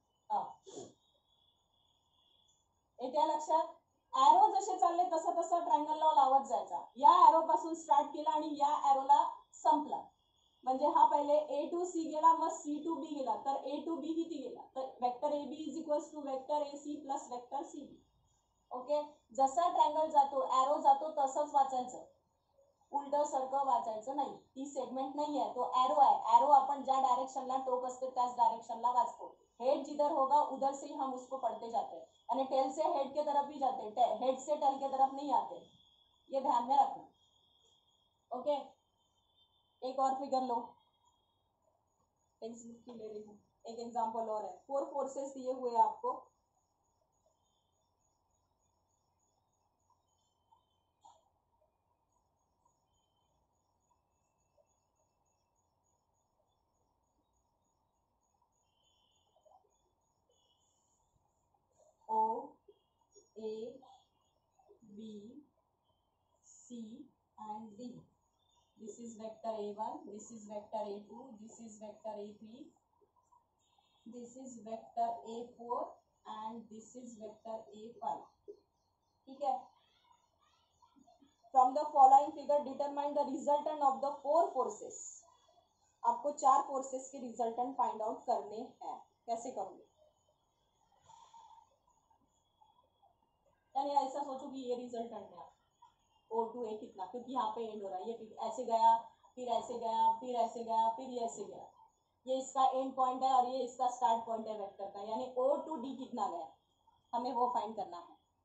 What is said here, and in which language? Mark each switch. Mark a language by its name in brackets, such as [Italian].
[Marathi] Okay, येत्या लक्षात? Arrow जसे चालले तसं तसं ट्रायंगल लॉ लावत जायचा। या ऍरो पासून स्टार्ट केला आणि या ऍरोला संपला, म्हणजे हा पहिले ए टू सी गेला मग सी टू बी गेला, तर ए टू बी किती गेला? [English] तर vector A B is equals to vector A C plus vector C B. [Marathi] Okay, जसा ट्रायंगल जातो ऍरो जातो तसंच वाचायचं, उलट सरकं वाचायचं नाही। ती सेगमेंट नाही आहे, तो ऍरो आहे। ऍरो आपण ज्या डायरेक्शनला टोक असते त्याच डायरेक्शनला वाचतो। [Hindi] हेड जिधर होगा उधर से हम उसको पढ़ते जाते हैं, आणि टेल से हेड के तरफ ही जाते, हेड से टेल के तरफ नहीं आते, ये ध्यान में रखना। ओके, एक और फिगर लो, ले रही हूँ, एक एग्जाम्पल और है। फोर फोर्सेस दिए हुए आपको, ओ A B C and D. [English] This is vector A1, this is vector A2, this is vector A3, this is vector A4 and this is vector A5. [Hindi] ठीक है, [English] from the following figure determine the resultant of the four forces। [Hindi] आपको चार forces के resultant find out करने हैं। कैसे करोगे? यानी ऐसा सोचो कि ये resultant है, ओ टू ए कितना, क्योंकि यहाँ पे एंड हो रहा है, ये ऐसे गया फिर ऐसे गया फिर ऐसे गया फिर ये ऐसे गया, ये इसका एंड पॉइंट है और ये इसका स्टार्ट पॉइंट है वेक्टर का, यानी ओ टू डी कितना गया, हमें वो फाइंड करना है।